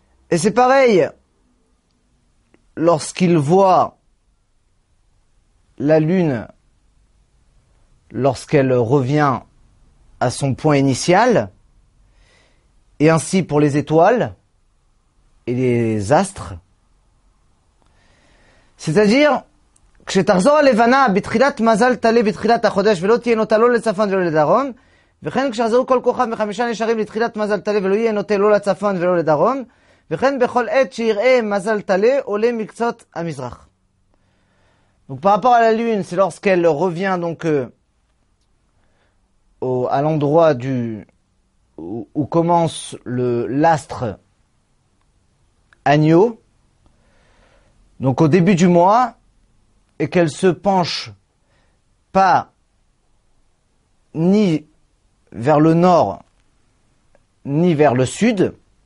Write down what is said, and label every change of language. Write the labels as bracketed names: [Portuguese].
[French] Et c'est pareil lorsqu'il voit la lune lorsqu'elle revient à son point initial, et ainsi pour les étoiles et les astres. [Hebrew] C'est-à-dire, כשתחזור הלבנה בתחילת מזל תלה בתחילת החודש ולא תהיה נוטה לא לצפון ולא לדרון, וכן כשחזרו כל כוכב מחמישה נשארים לתחילת מזל תלה ולא יהיה נוטה לא לצפון ולא לדרון, וכן בכל עת שיראה מזל תלה עולה מקצות המזרח. [French] Donc par rapport à la lune, c'est lorsqu'elle revient donc à l'endroit où commence l'astre agneau. Donc au début du mois, et qu'elle se penche pas ni vers le nord, ni vers le sud.